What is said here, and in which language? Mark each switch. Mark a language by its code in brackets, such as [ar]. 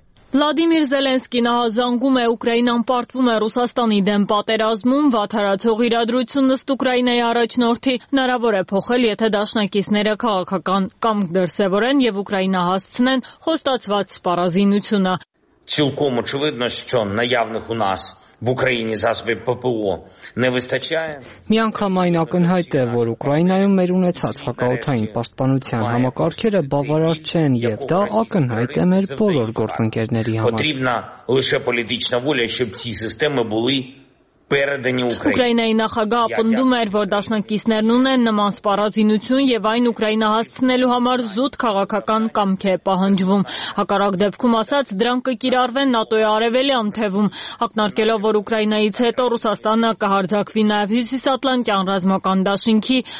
[hy] Վլադիմիր Զելենսկին ահազանգում է, Ուկրաինան պարտվում է Ռուսաստանի դեմ պատերազմում, վաթարացող իրադրությունն ըստ Ուկրաինայի առաջնորդի հնարավոր է փոխել, եթե դաշնակիցները քաղաքական կամ դրսևորեն և Ուկրաինա հասցնեն խոստացված սպառազինությունը։ [uk] Цілком очевидно, що наявних у нас в Україні засобів ППО не вистачає. [hy] Միանգամայն ակնհայտ է, որ Ուկրաինայում մեր ունեցած հակաօդային պաշտպանության համակարգերը բավարար չեն, և դա ակնհայտ է մեր բոլոր գործընկերների համար։ [uk] Потрібна лише політична воля, щоб ці системи були передані Україні. [hy] Ուկրաինայի նախագահը ապնդում էր, որ դաշնակիցներն ունեն նման սպառազինություն և այն Ուկրաինա հասցնելու համար զուտ քաղաքական կամք է պահանջվում։ Հակառակ դեպքում ասաց, դրանք կկիրառվեն ՆԱՏՕ-ի արևելյան թևում, ակնարկելով, որ Ուկրաինայից հետո Ռուսաստանը կհարձակվի նաև Հյուսիսատլանտյան ռազմական դաշինքի